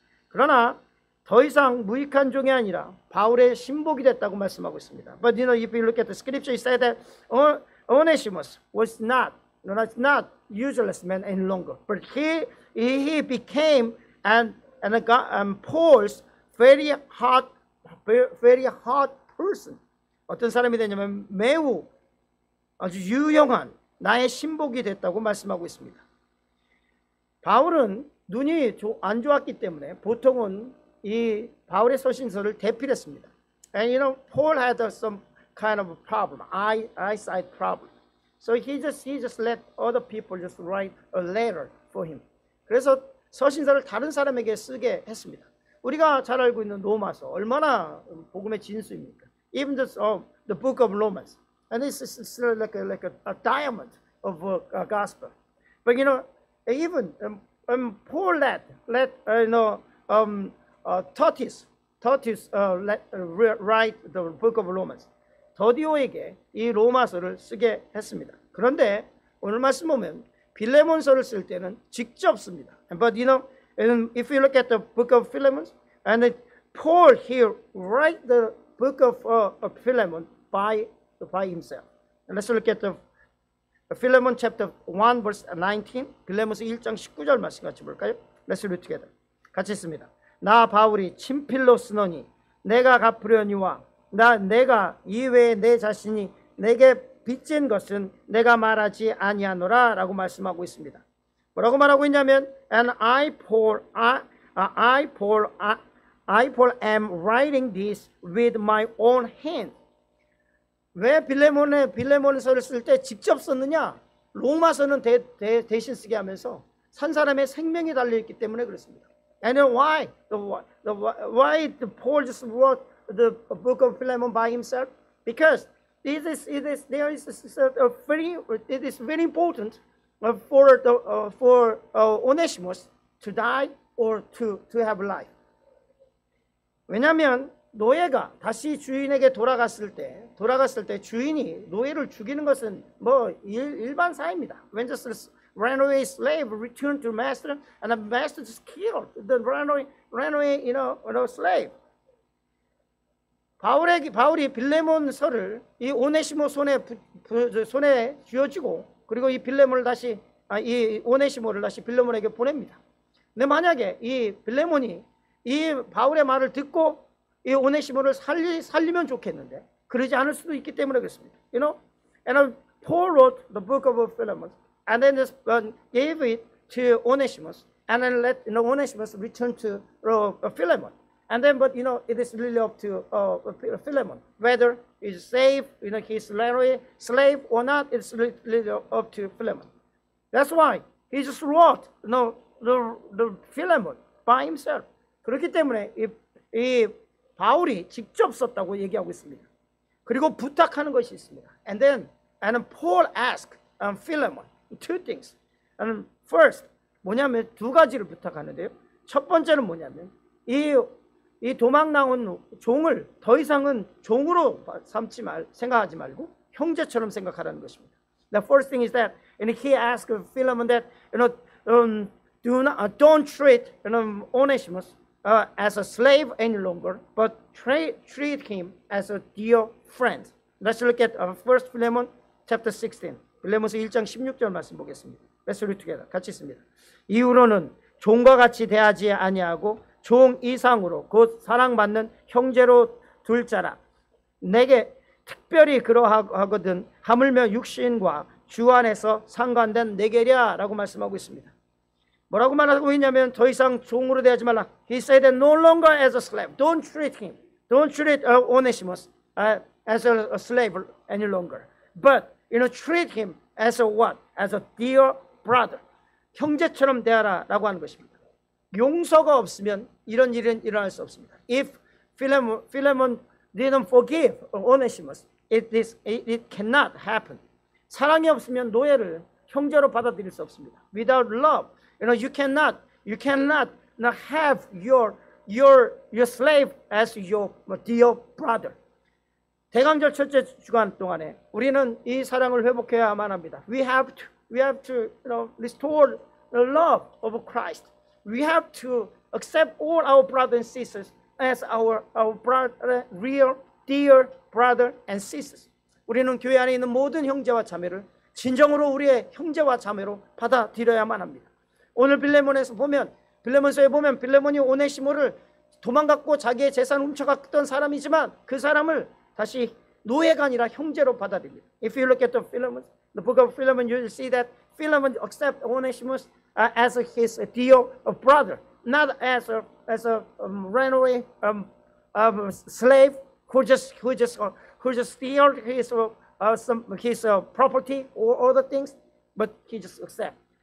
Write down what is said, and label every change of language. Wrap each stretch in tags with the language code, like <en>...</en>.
<ko>그러나 더 이상 무익한 종이 아니라 바울의 신복이 됐다고 말씀하고 있습니다.</ko> <en>But you know, if you look at the scripture, it said that Onesimus was not useless man any longer, but he became and Paul's very hot person.</en> <ko>어떤 사람이 되냐면 매우 아주 유용한 나의 신복이 됐다고 말씀하고 있습니다. 바울은 눈이 안 좋았기 때문에 보통은 이 바울의 서신서를 대필했습니다.</ko> <en>And you know, Paul had some kind of a problem, eyesight problem. So he just let other people just write a letter for him.</en> <ko>그래서 서신서를 다른 사람에게 쓰게 했습니다. 우리가 잘 알고 있는 로마서 얼마나 복음의 진수입니까?</ko> <en>Even the book of Romans. And it's like a diamond of a gospel. But you know, even Paul let Tertius write the book of Romans.</en> <ko>더디오에게 이 로마서를 쓰게 했습니다. 그런데 오늘 말씀 보면 빌레몬서를 쓸 때는 직접 씁니다.</ko> <en>But you know, if you look at the book of Philemon, and Paul here write the book of Philemon by himself. And let's look at the Philemon chapter 1 verse 19.</en> <ko>빌레몬서 1장 19절 말씀 같이 볼까요?</ko> <en>Let's read together.</en> <ko>같이 씁니다. 나 바울이 친필로 쓰노니 내가 갚으려니와 내가 이외에 내 자신이 내게 빚진 것은 내가 말하지 아니하노라라고 말씀하고 있습니다. 뭐라고 말하고 있냐면</ko> <en>and I Paul am writing this with my own hand.</en> <ko>왜 빌레몬서를 쓸 때 직접 썼느냐? 로마서는 대신 쓰게 하면서 산 사람의 생명이 달려 있기 때문에 그렇습니다.</ko> <en>And then why Paul just wrote the book of Philemon by himself? Because it is very important for Onesimus to die or to have life.</en> <ko>왜냐하면 노예가 다시 주인에게 돌아갔을 때 주인이 노예를 죽이는 것은 뭐 일반 사입니다.</ko> <en>When the runaway slave returned to master and the master just killed the runaway you know slave.</en> <ko>바울이 빌레몬서를 이 오네시모 손에 쥐어지고 그리고 이 빌레몬을 다시 이 오네시모를 다시 빌레몬에게 보냅니다. 근데 만약에 이 빌레몬이 이 바울의 말을 듣고 이 오네시모를 살리면 좋겠는데 그러지 않을 수도 있기 때문에 그렇습니다.</ko> <en>You know, and Paul wrote the book of Philemon, and then this one gave it to Onesimus, and then let you know Onesimus return to Philemon. And then, but you know, it is really up to Philemon whether he's safe, you know, he's literally slave or not. It's really up to Philemon. That's why he just wrote the Philemon by himself.</en> <ko>그렇기 때문에 이 바울이 직접 썼다고 얘기하고 있습니다. 그리고 부탁하는 것이 있습니다.</ko> <en>And Paul asked Philemon two things. And first,</en> <ko>뭐냐면 두 가지를 부탁하는데요. 첫 번째는 뭐냐면 이 도망 나온 종을 더 이상은 종으로 생각하지 말고 형제처럼 생각하라는 것입니다.</ko> <en>The first thing is that, and he asked Philemon that, you know, don't treat Onesimus as a slave any longer, but treat him as a dear friend. Let's look at 1 Philemon chapter 16.</en> <ko>빌레몬서 1장 16절 말씀 보겠습니다.</ko> <en>Let's read together.</en> <ko>같이 있습니다. 이후로는 종과 같이 대하지 아니하고 종 이상으로 곧 사랑받는 형제로 둘 자라. 내게 특별히 그러하거든 하물며 육신과 주 안에서 상관된 내게랴라고 말씀하고 있습니다. 뭐라고 말하고 있냐면 더 이상 종으로 대하지 말라.</ko> <en>He said that no longer as a slave. Don't treat him. Don't treat Onesimus as a slave any longer. But you know, treat him as a what? As a dear brother.</en> <ko>형제처럼 대하라라고 하는 것입니다. 용서가 없으면 이런 일은 일어날 수 없습니다.</ko> <en>If Philemon didn't forgive Onesimus, it cannot happen.</en> <ko>사랑이 없으면 노예를 형제로 받아들일 수 없습니다.</ko> <en>Without love, you know, you cannot not have your slave as your dear brother.</en> <ko>대강절 첫째 주간 동안에 우리는 이 사랑을 회복해야만 합니다.</ko> <en>We have to you know, restore the love of Christ. We have to accept all our brothers and sisters as our brother, real dear brother and sisters.</en> <ko>우리는 교회 안에 있는 모든 형제와 자매를 진정으로 우리의 형제와 자매로 받아들여야만 합니다. 오늘 빌레몬서에 보면 빌레몬이 오네시모를 도망갔고 자기의 재산을 훔쳐갔던 사람이지만 그 사람을 다시 노예가 아니라 형제로 받아들입니다.</ko> <en>If you look at the Philemon, the book of Philemon, you will see that Philemon accepts Onesimus as his dear brother, not as a runaway slave who just steal his property or other things, but he just accept.</en>